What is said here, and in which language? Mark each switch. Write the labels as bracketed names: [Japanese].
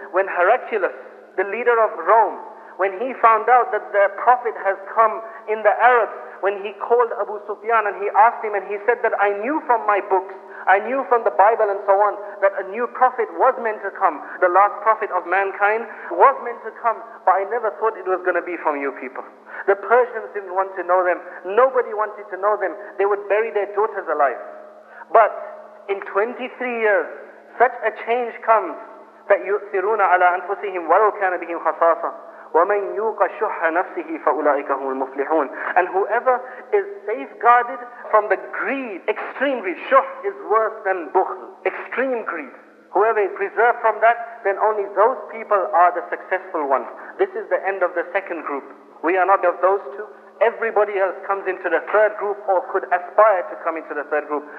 [English] When Heraclius, the leader of Rome, when he found out that the Prophet has come in the Arabs, when he called Abu Sufyan and he asked him and he said that I knew from my books, I knew from the Bible and so on, that a new Prophet was meant to come, the last Prophet of mankind was meant to come, but I never thought it was going to be from you people. The Persians didn't want to know them. Nobody wanted to know them. They would bury their daughters alive. But in 23 years, such a change comes that [Arabic] يُؤْثِرُونَ عَلَىٰ أَنفُسِهِمْ وَلَوْ كَانَ بِهِمْ خَصَاصًا وَمَنْ يُوقَ شُحَّ نَفْسِهِ فَأُولَٰئِكَ هُمُ الْمُفْلِحُونَ. [English] And whoever is safeguarded from the greed, extreme greed, shuh is worse than bukhl, extreme greed. Whoever is preserved from that, then only those people are the successful ones. This is the end of the second group. We are not of those two. Everybody else comes into the third group or could aspire to come into the third group.